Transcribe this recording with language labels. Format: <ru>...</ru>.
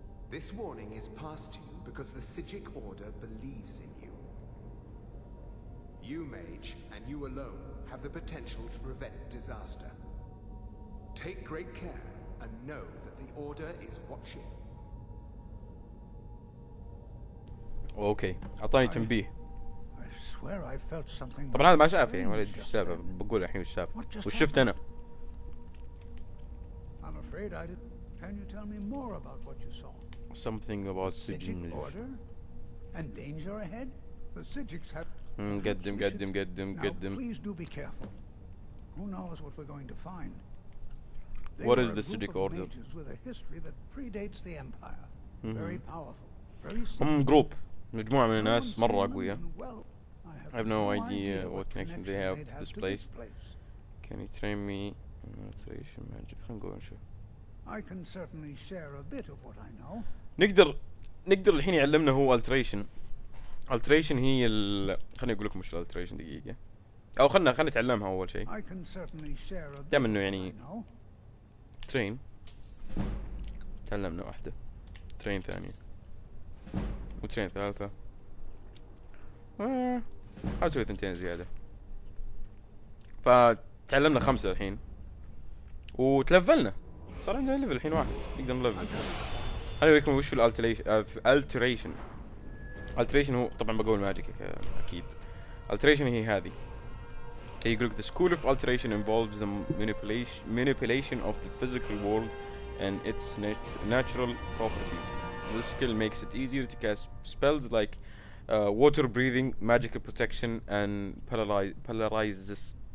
<en>This warning is passed to you because the Psijic Order believes in you. You, mage, and you alone, have the potential to prevent disaster. Take great care, and know that the Order is watching. Okay,</en> <ar>أعطاني تنبيه.</ar> <en>Where I felt something</en> <ar>طبعا هذا ما شاف يعني ولا ايش السالفه بقول الحين ايش شاف وش شفت انا</ar> <en>I'm afraid I did. Can you tell me more about what you saw something about Psijic order and danger ahead the Psijics have</en> <ar>قدم</ar> <en>please do be careful who knows what we're going to find They what is the Psijic order with a history that predates the empire very powerful</en> <ar>جروب مجموعه من الناس مره قويه</ar> <en>I have no idea what connection they have to this place. Can you train me in meditation magic? I'm going to. I can certainly share a bit of what I know.</en> <ar>نقدر الحين يعلمنا هو alteration. Alteration هي ال خليني أقول لكم مش alteration دقيقة. أو خلنا نتعلمها أول شيء.</ar> <en>I can certainly share a bit.</en> <ar>دام إنه يعني train. تعلمنا واحدة. Train ثانية. وترين ثالثة. هاو تسوي ثنتين زيادة فتعلمنا خمسة الحين وتلفلنا، صار عندنا ليفل الحين واحد نقدر نلفل. هل يكون وش الالتريشن؟ الالتريشن هو طبعا بقول ماجيك اكيد. الالتريشن هي هذه، هي يقولك</ar> <en>the school of alteration involves the manipulation of the physical world and its natural properties. This skill makes it easier to cast spells like water breathing, magical protection and paralysis.</en>